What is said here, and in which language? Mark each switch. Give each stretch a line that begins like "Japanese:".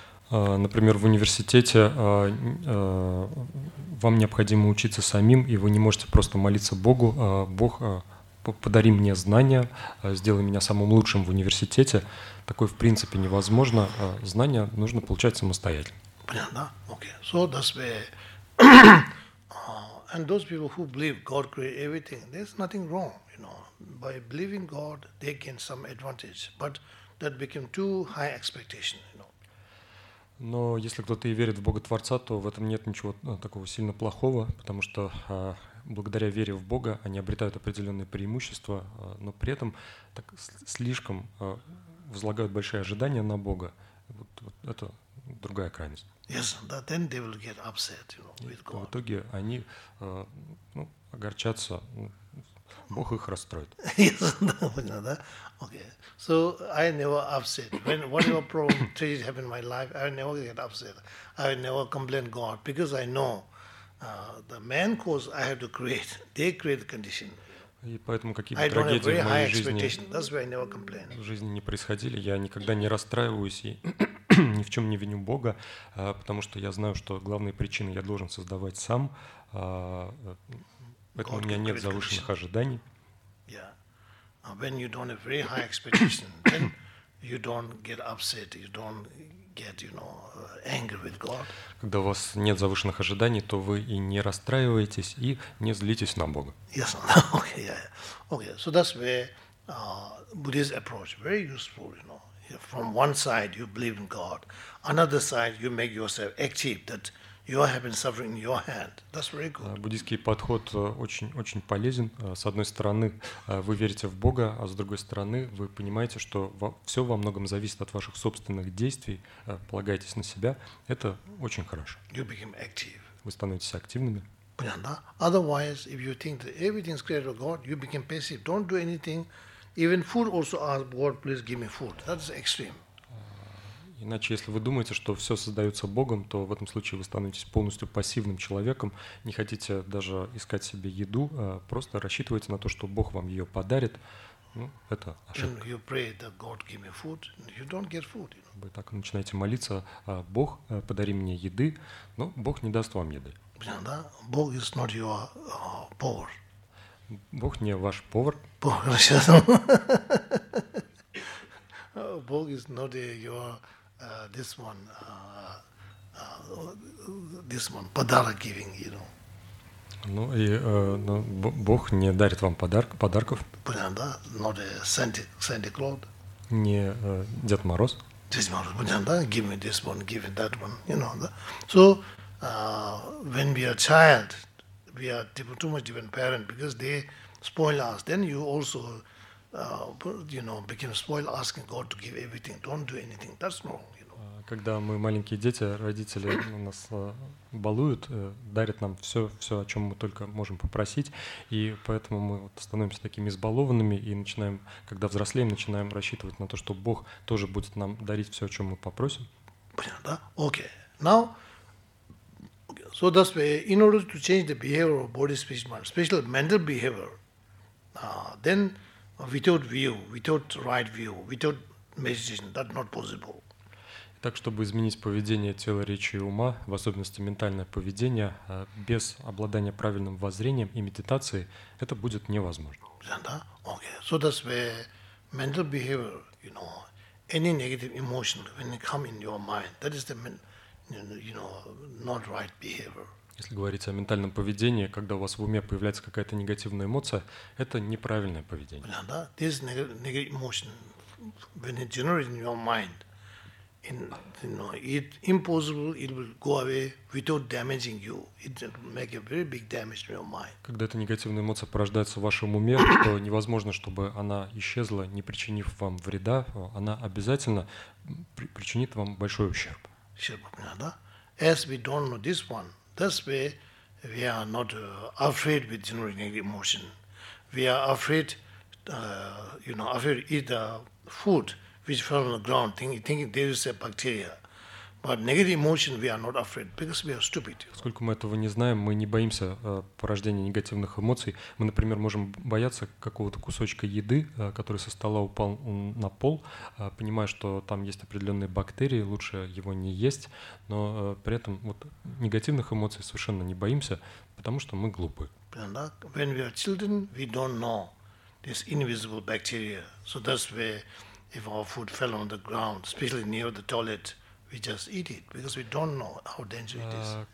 Russian: Например, в университете вам необходимо учиться самим, и вы не можете просто молиться Богу. Бог, подари мне знания, сделай меня самым лучшим в университете. Такое в принципе невозможно. Знания нужно получать самостоятельно. Понятно, да?
English: Okay. So that's where... And those people who believe God created everything, there's nothing wrong, you know. By believing God, they gain some advantage, but that became too high expectation, you know.
Russian: Но если кто-то и верит в Бога Творца, то в этом нет ничего такого сильно плохого, потому что благодаря вере в Бога они обретают определенные преимущества, но при этом так слишком возлагают большие ожидания на Бога. Вот это другая крайность.
English: Yes, that then they will get upset, you know, with God.
Russian: В итоге они огорчатся, Бог их расстроит.
English: Yes,
Russian: понятно, да?
English: Okay, so I never upset. When whatever problem, tragedy happened in my life, I never get upset. I never complain God, because I know the main cause I have to create, they create the condition.
Russian: И поэтому какие бы трагедии в моей жизни, не происходили, я никогда не расстраиваюсь и ни в чем не виню Бога, потому что я знаю, что главные причины я должен создавать сам, поэтому у меня нет завышенных ожиданий.
English: Yeah. When you don't have very high expectation, then you don't get upset, you don't get, you know, angry with God.
Russian: Когда у вас нет завышенных ожиданий, то вы и не расстраиваетесь, и не злитесь на Бога.
English: Yes. Okay, yeah, yeah. Okay, so that's where Buddhist approach, very useful, you know. From one side, you believe in God. Another side, you make yourself active, that you have been suffering in your hand. That's very good.
Russian: Буддийский подход очень-очень полезен. С одной стороны, вы верите в Бога, а с другой стороны, вы понимаете, что все во многом зависит от ваших собственных действий, полагаетесь на себя. Это очень хорошо.
English: You become active.
Russian: Вы становитесь активными. Понятно?
English: Otherwise, if you think that everything is created by God, you become passive. Don't do anything. Even food also ask God, please give me food. That's extreme.
Russian: Иначе, если вы думаете, что все создается Богом, то в этом случае вы становитесь полностью пассивным человеком, не хотите даже искать себе еду, просто рассчитываете на то, что Бог вам ее подарит. Ну, это ошибка.
English: You pray that God give me food, you don't get food.
Russian: Вы так начинаете молиться, Бог, подари мне еды, но Бог не даст вам еды. Да?
English: Бог is not your power.
Russian: Бог не ваш повар.
English: Бог Бог is not your this one
Russian: подарок
English: giving, you know.
Russian: Ну и Бог не дарит вам подарков. Понятно, да?
English: Not Santa Claus.
Russian: Не Дед Мороз. Дед Мороз, понятно, да?
English: Give me this one, give me that one, you know. So when we are child, we are too much different parent because they spoil us. Then you also you know, become spoiled asking God to give everything. Don't do anything. That's wrong.
Russian: когда мы маленькие дети, родители нас балуют, дарят нам все, все, о чем мы только можем попросить, и поэтому мы вот становимся такими избалованными и начинаем, когда взрослеем, начинаем рассчитывать на то, что Бог тоже будет нам дарить все, о чем мы попросим. Понятно, да? Окей.
English: Now, so that's why in order to change the behavior of body, speech, mind, especially mental behavior, then without view, without right view, without meditation, that's not possible.
Russian: Так, чтобы изменить поведение тела, речи и ума, в особенности ментальное поведение, без обладания правильным воззрением и медитацией, это будет невозможно. Да?
English: Okay. So that's where mental behavior, you know, any negative emotion, when it comes in your mind, that is the, you know, not right behavior.
Russian: Если говорить о ментальном поведении, когда у вас в уме появляется какая-то негативная эмоция, это неправильное поведение. Да?
English: This negative emotion, when it generates in your mind, in, you know, it impossible, it will go away without damaging you. It will make a very big damage to your mind.
Russian: Когда эта негативная эмоция порождается в вашем уме, то невозможно, чтобы она исчезла, не причинив вам вреда. Она обязательно причинит вам большой ущерб. Ущерб, да?
English: As we don't know this one, that's why we are not afraid with generating negative emotion. We are afraid, you know, afraid to eat the food which fell on the ground, thinking there is a bacteria. But negative emotion we are not afraid because we are stupid.
Russian: Поскольку мы этого не знаем, мы не боимся порождения негативных эмоций. Мы, например, можем бояться какого-то кусочка еды, который со стола упал на пол, понимая, что там есть определенные бактерии, лучше его не есть. Но при этом вот негативных эмоций совершенно не боимся, потому что мы глупы.
English: When we are children, we don't know this invisible bacteria. So that's where if our food fell on the ground, especially near the toilet, we just eat it because we don't know how dangerous it is.